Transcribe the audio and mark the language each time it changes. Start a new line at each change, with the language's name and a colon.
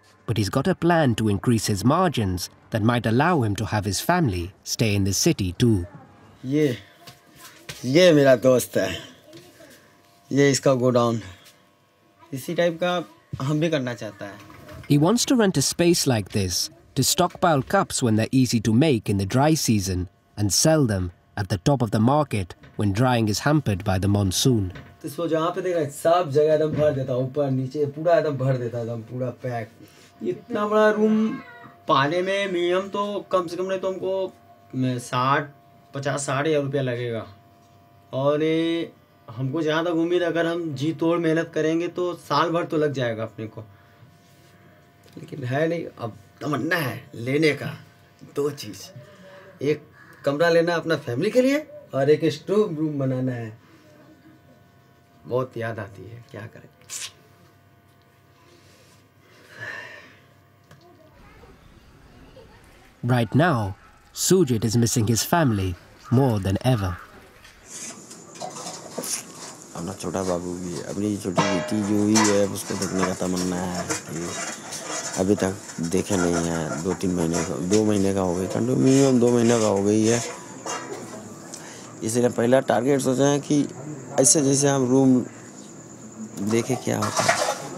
English: But he's got a plan to increase his margins that might allow him to have his family stay in the city too.
Hindi: ये मेरा दोस्त है, ये इसका godown, इसी type का हम भी करना चाहता है।
English: He wants to rent a space like this to stockpile cups when they're easy to make in the dry season and sell them at the top of the market when drying is hampered by the monsoon.
Hindi: इसको जहाँ पे देखा सब जगह एकदम भर देता, ऊपर नीचे पूरा एकदम भर देता, एकदम पूरा पैक। इतना बड़ा रूम पाने में मिनिमम तो कम से कम नहीं तो हमको 60-50 रुपया लगेगा, और ये हमको जहाँ तक उम्मीद, अगर हम जी तोड़ मेहनत करेंगे तो साल भर तो लग जाएगा अपने को, लेकिन है नहीं अब तमन्ना है लेने का। दो चीज़, एक कमरा लेना अपना फैमिली के लिए और एक स्टोर रूम बनाना है। बहुत याद आती है, क्या करें।
English: Right now, Sujit is missing his family more than ever.
Hindi: अपना छोटा बाबू भी, अपनी छोटी बेटी जो ही है उसको देखने का तमन्ना है कि अभी तक देखे नहीं है, दो महीने का हो गई है। इसलिए पहला टारगेट सोचा है कि ऐसे जैसे हम रूम देखे क्या होता है।